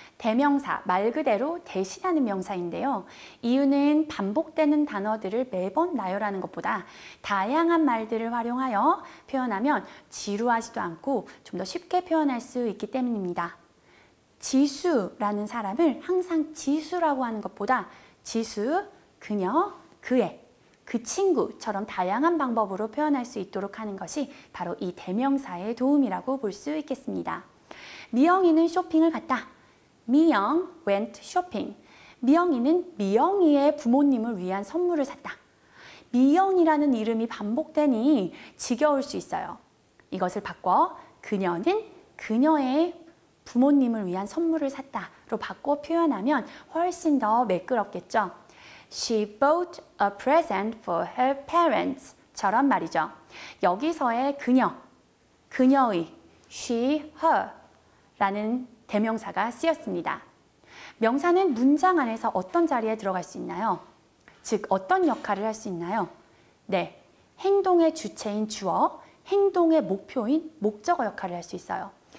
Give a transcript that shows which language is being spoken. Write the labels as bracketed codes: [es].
[ko] 대명사, 말 그대로 대신하는 명사인데요. 이유는 반복되는 단어들을 매번 나열하는 것보다 다양한 말들을 활용하여 표현하면 지루하지도 않고 좀 더 쉽게 표현할 수 있기 때문입니다. 지수라는 사람을 항상 지수라고 하는 것보다 지수, 그녀, 그애, 그 친구처럼 다양한 방법으로 표현할 수 있도록 하는 것이 바로 이 대명사의 도움이라고 볼 수 있겠습니다. 미영이는 쇼핑을 갔다. [en] 미영 went shopping. [ko] 미영이는 미영이의 부모님을 위한 선물을 샀다. 미영이라는 이름이 반복되니 지겨울 수 있어요. 이것을 바꿔 그녀는 그녀의 부모님을 위한 선물을 샀다로 바꿔 표현하면 훨씬 더 매끄럽겠죠. [en] She bought a present for her parents처럼 [ko] 말이죠. 여기서의 그녀, 그녀의, she, her라는 대명사가 쓰였습니다. 명사는 문장 안에서 어떤 자리에 들어갈 수 있나요? 즉, 어떤 역할을 할 수 있나요? 네, 행동의 주체인 주어, 행동의 목표인 목적어 역할을 할 수 있어요.